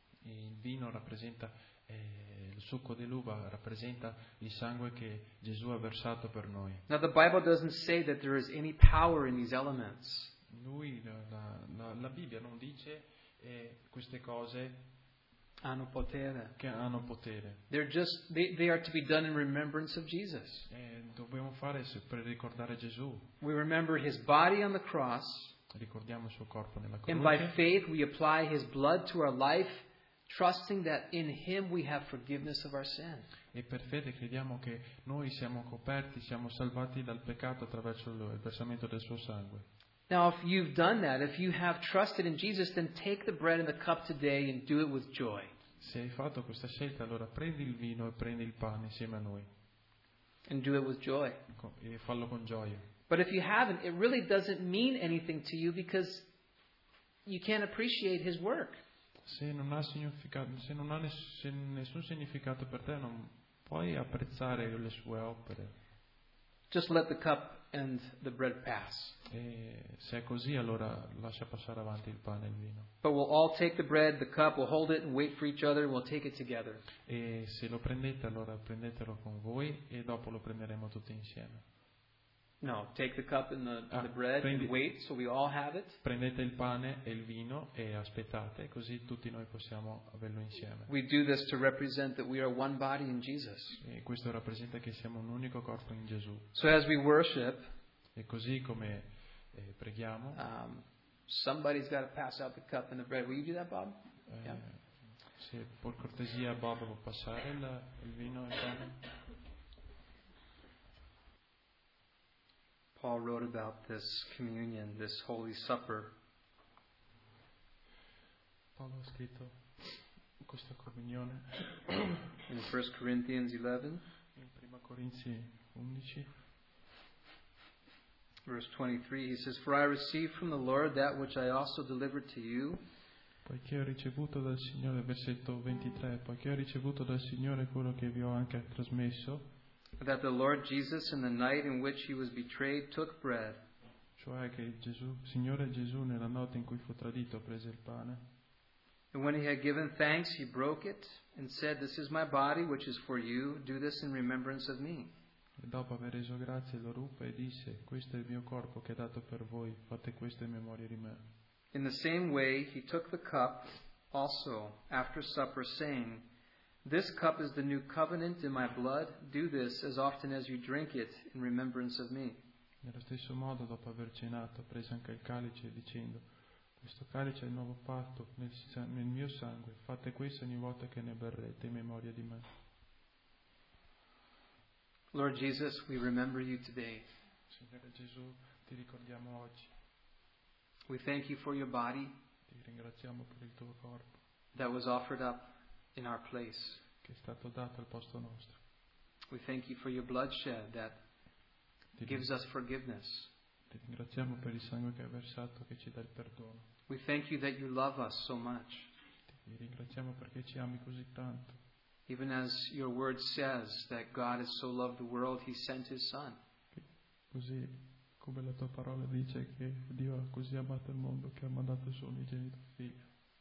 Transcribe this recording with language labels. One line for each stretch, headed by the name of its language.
Italian: Il vino rappresenta il succo dell'uva rappresenta il sangue che Gesù ha versato per noi.
English: Now the Bible doesn't say that there is any power in these elements.
Italian: Lui la Bibbia non dice queste cose hanno potere. Che hanno potere.
English: They're just they are to be done in remembrance of Jesus.
Italian: Dobbiamo fare per ricordare Gesù.
English: We remember his body on the cross.
Italian: Ricordiamo il suo corpo nella croce.
English: And by faith we apply his blood to our life, trusting that in him we have forgiveness of our sin.
Italian: E per fede crediamo che noi siamo coperti, siamo salvati dal peccato attraverso il versamento del suo sangue.
English: Now if you've done that, if you have trusted in Jesus, then take the bread and the cup today and do it with joy.
Italian: Se hai fatto questa scelta, allora prendi il vino e prendi il pane insieme a noi.
English: And do it with joy.
Italian: E fallo con gioia.
English: But if you haven't, it really doesn't mean anything to you because you can't appreciate his work.
Italian: Se non ha nessun significato per te, non puoi apprezzare le sue opere.
English: Just let the cup and the bread pass.
Italian: E se è così, allora lascia passare avanti il pane e il vino.
English: But we'll all take the bread, the cup, we'll hold it and wait for each other, and we'll take it together.
Italian: E se lo prendete, allora prendetelo con voi e dopo lo prenderemo tutti insieme.
English: No, take the cup and the bread and wait so we all have it.
Italian: Prendete il pane e il vino e aspettate, così tutti noi possiamo averlo insieme.
English: We do this to represent that we are one body in Jesus.
Italian: E questo rappresenta che siamo un unico corpo in Gesù.
English: So as we worship,
Italian: e così come preghiamo,
English: somebody's got to pass out the cup and the bread. Will you do that, Bob?
Italian: Se per cortesia Bob può passare il vino e il pane.
English: Paul wrote about this communion, this Holy Supper.
Italian: Paolo ha scritto questa comunione.
English: In 1 Corinthians 11.
Italian: In 1 Corinzi 11.
English: Verse 23, he says, "For I received from the Lord that which I also delivered to you."
Italian: Poiché ho ricevuto dal Signore, versetto 23, poiché ho ricevuto dal Signore quello che vi ho anche trasmesso.
English: That the Lord Jesus, in the night in which he was betrayed, took bread.
Italian: Cioè che Gesù, Signore Gesù, nella notte in cui fu tradito, prese il pane.
English: And when he had given thanks, he broke it and said, "This is my body, which is for you. Do this in remembrance of me."
Italian: E dopo aver reso grazie, lo ruppe e disse, "Questo è il mio corpo che è dato per voi. Fate questo in memoria di me."
English: In the same way, he took the cup also after supper, saying, "This cup is the new covenant in my blood. Do this as often as you drink it in remembrance of me."
Italian: Nello stesso modo, dopo aver cenato, prese anche il calice dicendo, "Questo calice è il nuovo patto nel mio sangue. Fate questo ogni volta che ne berrete in memoria di me."
English: Lord Jesus, we remember you today.
Italian: Signore Gesù, ti ricordiamo oggi.
English: We thank you for your body.
Italian: Ti ringraziamo per il tuo corpo.
English: That was offered up in our place.
Italian: Che è stato dato al posto nostro.
English: We thank you for your bloodshed that gives us forgiveness.
Italian: Ti ringraziamo per il sangue che hai versato che ci dà il perdono.
English: We thank you that you love us so much.
Italian: Ti ringraziamo perché ci ami così tanto.
English: Even as your word says that God has so loved the world he sent his son.
Italian: Così come la tua parola dice che Dio ha così amato il mondo che ha mandato il suo unigenito figlio.